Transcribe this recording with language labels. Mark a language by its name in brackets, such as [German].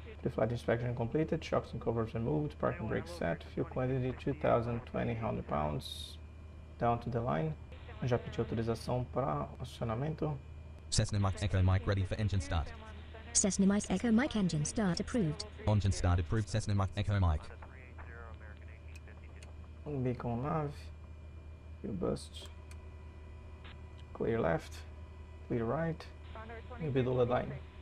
[English] Pre-flight inspection completed, shocks and covers removed, parking brake set, fuel quantity 2020 pounds. Down to the line. [Portuguese] Já pedi autorização para acionamento. [English] Cessna Mike Echo Mike ready for engine start. Cessna Mike Echo Mike engine start approved. Engine start approved. Cessna Mike Echo Mike. Um beacon nave. Fuel boost. Clear left. Clear right. E below the line.